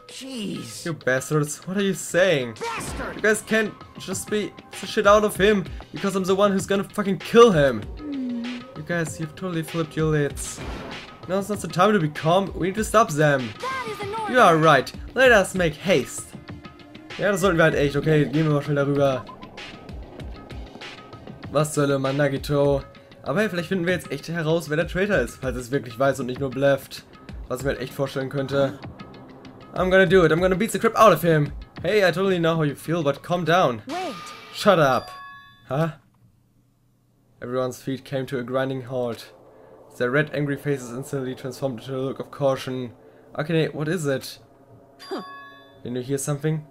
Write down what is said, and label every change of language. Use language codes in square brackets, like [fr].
[en] Jeez. You bastards, what are you saying? Bastard. You guys can't just beat the shit out of him because I'm the one who's gonna fucking kill him. You guys, you've totally flipped your lids. Now's not the time to be calm, we need to stop them. That is you are right, let us make haste. [de] Ja, das sollten wir halt echt, okay, gehen wir mal schnell darüber. Was soll man, Nagito? Aber hey, vielleicht finden wir jetzt echt heraus, wer der Traitor ist, falls es wirklich weiß und nicht nur blufft. Was ich mir halt echt vorstellen könnte. [en] I'm gonna do it, I'm gonna beat the crap out of him. Hey, I totally know how you feel, but calm down. Wait. Shut up. Huh? Everyone's feet came to a grinding halt. Their red, angry faces instantly transformed into a look of caution. Akane, what is it? Didn't you hear something?